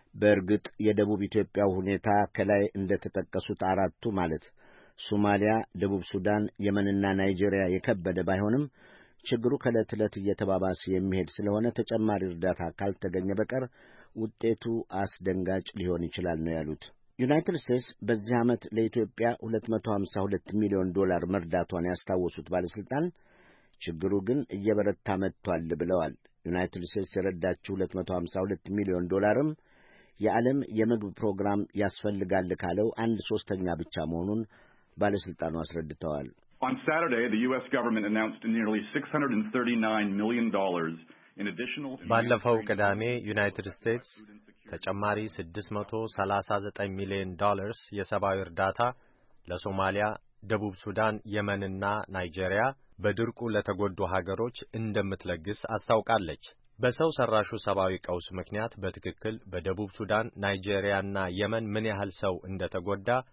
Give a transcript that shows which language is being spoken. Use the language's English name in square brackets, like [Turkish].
[Amharic] በእርግጥ የደቡብ ኢትዮጵያው ሁኔታ ከላይ እንደተጠቀሱት አራቱ ማለት ሶማሊያ፣ ደቡብ ሱዳን፣ የመንና ናይጄሪያ የከበደ ባይሆንም ችግሩ ከዕለት ለዕለት እየተባባሰ የሚሄድ ስለሆነ ተጨማሪ እርዳታ ካልተገኘ በቀር ውጤቱ አስደንጋጭ ሊሆን ይችላል ነው ያሉት። ዩናይትድ ስቴትስ በዚህ ዓመት ለኢትዮጵያ 252 ሚሊዮን ዶላር መርዳቷን ያስታወሱት ባለሥልጣን ችግሩ ግን እየበረታ መጥቷል ብለዋል። ዩናይትድ ስቴትስ የረዳችው 252 ሚሊዮን ዶላርም የዓለም የምግብ ፕሮግራም ያስፈልጋል ካለው አንድ ሶስተኛ ብቻ መሆኑን ባለሥልጣኑ አስረድተዋል። [English] On Saturday, the U.S. government announced nearly $639 million in additional... [Amharic] ባለፈው ቅዳሜ ዩናይትድ ስቴትስ ተጨማሪ 639 ሚሊዮን ዶላርስ የሰብአዊ እርዳታ ለሶማሊያ፣ ደቡብ ሱዳን፣ የመንና ናይጄሪያ በድርቁ ለተጎዱ ሀገሮች እንደምትለግስ አስታውቃለች። በሰው ሰራሹ ሰብአዊ ቀውስ ምክንያት በትክክል በደቡብ ሱዳን፣ ናይጄሪያና የመን ምን ያህል ሰው እንደተጎዳ